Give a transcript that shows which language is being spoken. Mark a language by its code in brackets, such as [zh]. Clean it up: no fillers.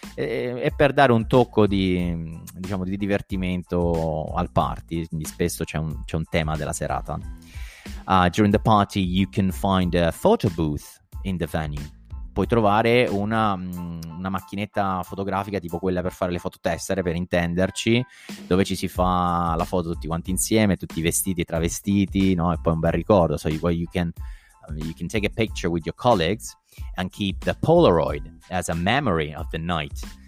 [it] E per dare un tocco di divertimento al party, quindi spesso c'è un tema della serata. [en] During the party you can find a photo booth in the venue. [it] Puoi trovare una macchinetta fotografica tipo quella per fare le foto tessere, per intenderci, dove ci si fa la foto tutti quanti insieme, tutti vestiti e travestiti, no? E poi un bel ricordo. [en] So you can take a picture with your colleagues and keep the Polaroid as a memory of the night.